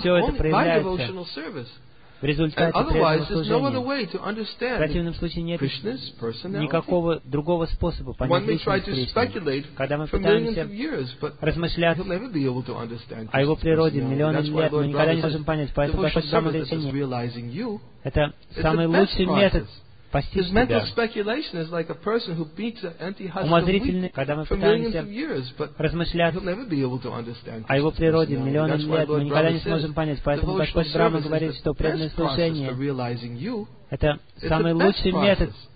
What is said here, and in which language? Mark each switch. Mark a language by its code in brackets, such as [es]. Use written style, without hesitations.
[ru] все это проявляется в результате преданного служения. В противном случае нет никакого другого способа понять Личность Кришны. Когда мы пытаемся размышлять о Его природе миллионы лет, мы никогда не можем понять, поэтому Господь Брама Дейтини это самый лучший метод. [en] Because mental speculation is like a person who beats an empty husk of wheat for millions of years, but he'll never be able to understand. [ru] О его природе миллионы лет мы никогда не сможем понять, поэтому Господь Брама говорит, что преданное служение это самый лучший метод.